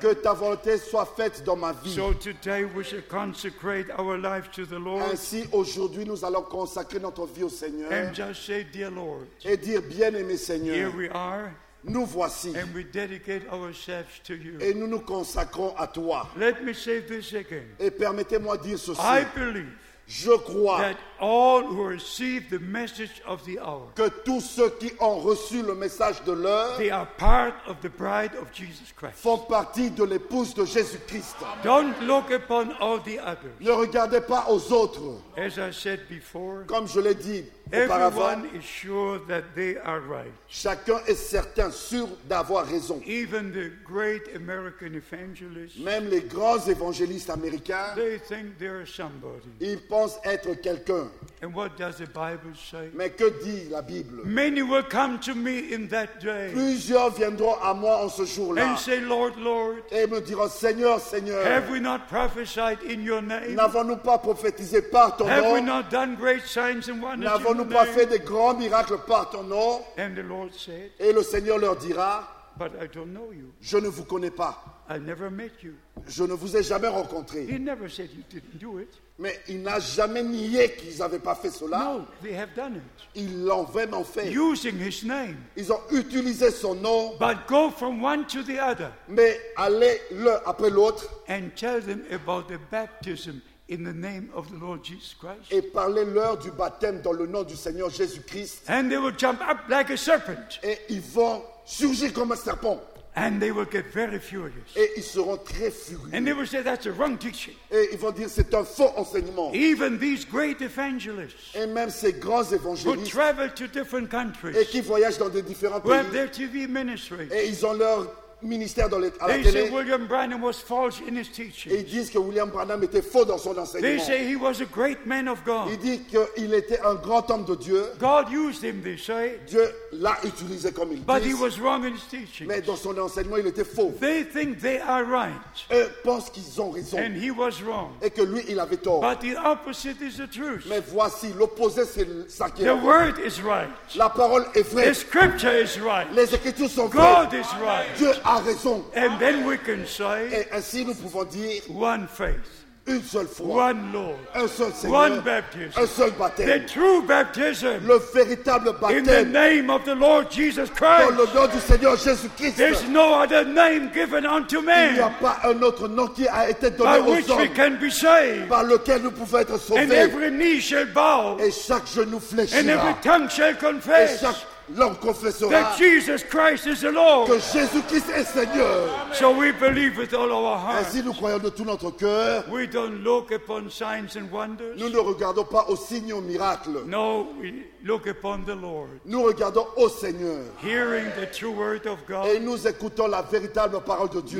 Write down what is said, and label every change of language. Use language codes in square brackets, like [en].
[fr] Que ta volonté soit faite dans ma vie. [en] So today we shall consecrate our life to the Lord. [fr] Ainsi aujourd'hui nous allons consacrer notre vie au Seigneur. [en] And just say, dear Lord. [fr] Et dire bien-aimé Seigneur. [en] Here we are. [fr] nous voici. [en] And we dedicate ourselves to you. [fr] Et nous nous consacrons à toi. [en] Let me say this again. [fr] Et permettez-moi dire ceci. [en] I believe. [fr] Je crois [en] that all who receive the message of the hour, [fr] que tous ceux qui ont reçu le message de l'heure, [en] they are part of the bride of Jesus Christ. [fr] Font partie de l'épouse de Jésus-Christ. [en] Don't look upon all the others. [fr] Ne regardez pas aux autres. [en] As I said before, [fr] comme je l'ai dit auparavant, [en] everyone is sure that they are right. [fr] Chacun est certain sûr d'avoir raison. [en] Even the great American evangelists, [fr] même les grands évangélistes américains, [en] they think they are somebody. [fr] Ils pensent être quelqu'un. [en] And what does the Bible say? [fr] Mais que dit la Bible? [en] Many will come to me in that day. [fr] Plusieurs viendront à moi en ce jour-là. [en] And say, Lord, Lord. [fr] Et me diront, Seigneur, Seigneur. [en] Have we not prophesied in your name? [fr] N'avons-nous pas prophétisé par ton [en] have [fr] nom? [en] Have we not done great signs and wonders? [fr] N'avons-nous pas fait des grands miracles par ton nom? [en] And the Lord said, [fr] et le Seigneur leur dira, [en] but I don't know you. [fr] Je ne vous connais pas. [en] I never met you. [fr] Je ne vous ai jamais rencontré. [en] He never said he didn't do it. [fr] Mais il n'a jamais nié qu'ils n'avaient pas fait cela. [en] No, they have done it. [fr] Ils l'ont vraiment fait. [en] Using his name. [fr] Ils ont utilisé son nom. [en] But go from one to the other. [fr] Mais allez l'un après l'autre. [en] And tell them about the baptism in the name of the Lord Jesus Christ. [fr] Et parlez-leur du baptême dans le nom du Seigneur Jésus-Christ. [en] And they will jump up like a serpent. [fr] Et ils vont surgir comme un serpent. [en] And they will get very furious. [fr] Et ils seront très furieux. [en] And they will say that's a wrong teaching. [fr] Et ils vont dire c'est un faux enseignement. [en] Even these great evangelists. [fr] Et même ces grands évangélistes. [en] Who travel to different countries. [fr] Et qui voyagent dans des différents pays. [en] Who have their TV ministry. [fr] Et ils ont leur ministère dans les, à [en] they [fr] la télé. [en] Say William Branham was false in his teaching. [fr] Ils disent que William Branham était faux dans son enseignement. [en] They say he was a great man of God. [fr] Ils disent qu'il était un grand homme de Dieu. [en] God used him, they say. [fr] Dieu l'a utilisé comme ils [en] but [fr] disent. [en] He was wrong in his teaching. [fr] Mais dans son enseignement, il était faux. [en] They think they are right. [fr] Eux pensent qu'ils ont raison. [en] And he was wrong. [fr] Et que lui, il avait tort. [en] But the opposite is the truth. [fr] Mais voici, l'opposé, c'est ça qui est [en] the word is right. [fr] La parole est vraie. [en] The scripture is right. [fr] Les écritures sont [en] God [fr] vraies. [en] Is right. [fr] Dieu a raison. [en] And then we can say, [fr] et ainsi nous pouvons dire [en] one faith, [fr] une seule foi, [en] one Lord, [fr] un seul Seigneur, [en] one baptism, [fr] un seul baptême, [en] the true baptism, [fr] le véritable baptême, [en] in the name of the Lord Jesus Christ, [fr] dans le nom du Seigneur Jésus-Christ. [en] There's no other name given unto men, [fr] il n'y a pas un autre nom qui a été donné aux [en] which [fr] hommes, [en] we can be saved, [fr] par lequel nous pouvons être sauvés, [en] and every knee shall bow, [fr] et chaque genou fléchira, [en] and every tongue shall confess, [fr] et chaque l'homme confessera [en] that Jesus Christ is the Lord. [fr] Que Jésus-Christ est Seigneur. [en] So we believe with all our hearts. [fr] Ainsi nous croyons de tout notre cœur. [en] We don't look upon signs and wonders. [fr] Nous ne regardons pas aux signes et aux miracles. [en] No, we look upon the Lord. [fr] Nous regardons au Seigneur. [en] Hearing the true word of God. [fr] Et nous écoutons la véritable parole de Dieu.